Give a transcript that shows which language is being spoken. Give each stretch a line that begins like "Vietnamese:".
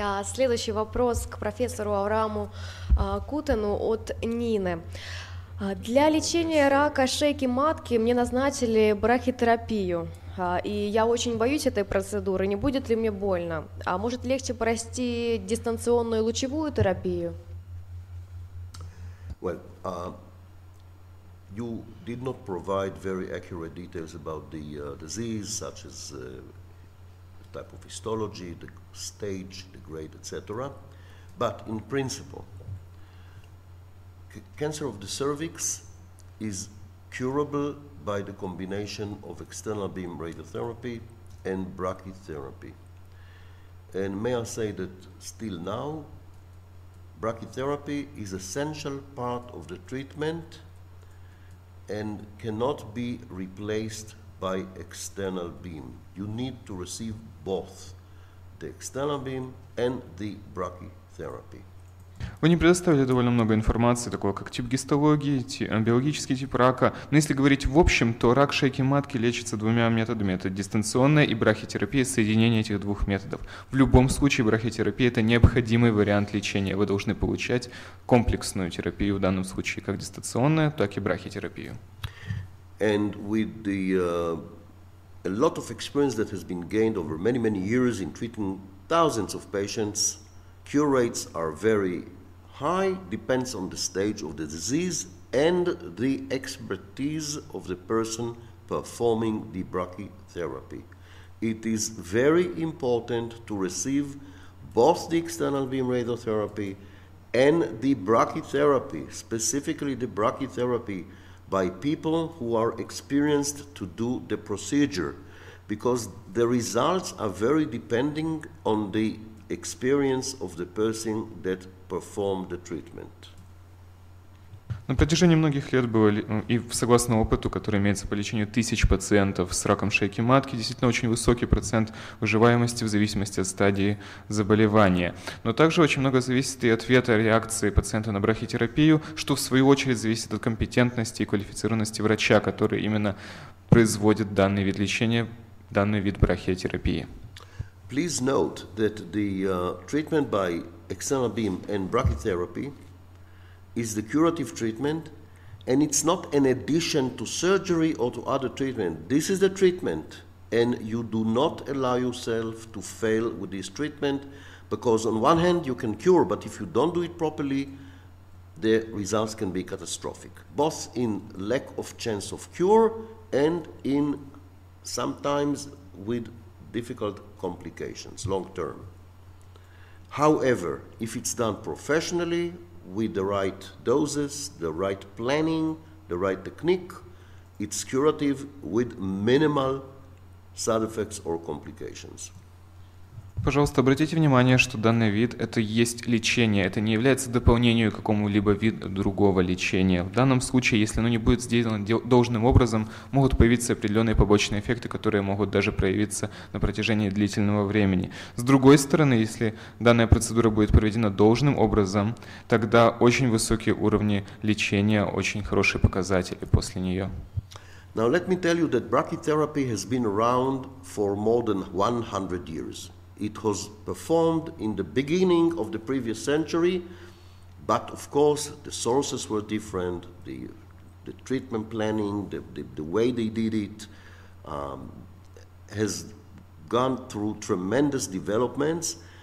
Russian: Следующий вопрос к профессору Аврааму Кутену от Нины. Для лечения рака шейки матки мне назначили брахитерапию, и я очень боюсь этой процедуры. Не будет ли мне больно? А может легче пройти дистанционную лучевую терапию?
English: Well, you did not provide very accurate details about the disease, such as type of histology, the stage, the grade, etc. But in principle, cancer of the cervix is curable by the combination of external beam radiotherapy and brachytherapy. And may I say that still now, brachytherapy is an essential part of the treatment and cannot be replaced by external beam. You need to receive both the external beam and the brachytherapy.
Russian: Вы не предоставили довольно много информации, такого как тип гистологии, биологический тип рака. Но если говорить в общем, то рак шейки матки лечится двумя методами. Это дистанционная и брахитерапия, соединение этих двух методов. В любом случае брахитерапия – это необходимый вариант лечения. Вы должны получать комплексную терапию, в данном случае как дистанционную, так и брахитерапию.
English: And with the a lot of experience that has been gained over many, many years in treating thousands of patients, cure rates are very high, depends on the stage of the disease and the expertise of the person performing the brachytherapy. It is very important to receive both the external beam radiotherapy and the brachytherapy, specifically the brachytherapy, by people who are experienced to do the procedure, because the results are very depending on the experience of the person that performed the treatment.
Russian: На протяжении многих лет было, и согласно опыту, который имеется по лечению тысяч пациентов с раком шейки матки, действительно очень высокий процент выживаемости в зависимости от стадии заболевания. Но также очень много зависит и от ответа, реакции пациента на брахитерапию, что в свою очередь зависит от компетентности и квалифицированности врача, который именно производит данный вид лечения, данный вид брахитерапии.
English: Please note that the treatment by external beam and brachytherapy is the curative treatment, and it's not an addition to surgery or to other treatment. This is the treatment, and you do not allow yourself to fail with this treatment, because on one hand you can cure, but if you don't do it properly, the results can be catastrophic, both in lack of chance of cure and in sometimes with difficult complications long term. However, if it's done professionally, with the right doses, the right planning, the right technique, it's curative with minimal side effects or complications.
Russian: Пожалуйста, обратите внимание, что данный вид – это есть лечение, это не является дополнением к какому-либо виду другого лечения. В данном случае, если оно не будет сделано должным образом, могут появиться определенные побочные эффекты, которые могут даже проявиться на протяжении длительного времени. С другой стороны, если данная процедура будет проведена должным образом, тогда очень высокие уровни лечения, очень хорошие показатели после нее.
English: Now let me tell you that brachytherapy has been around for more than 100 years. It was performed in the beginning of the previous century, but of course the sources were different, the treatment planning, the way they did it has gone through tremendous developments.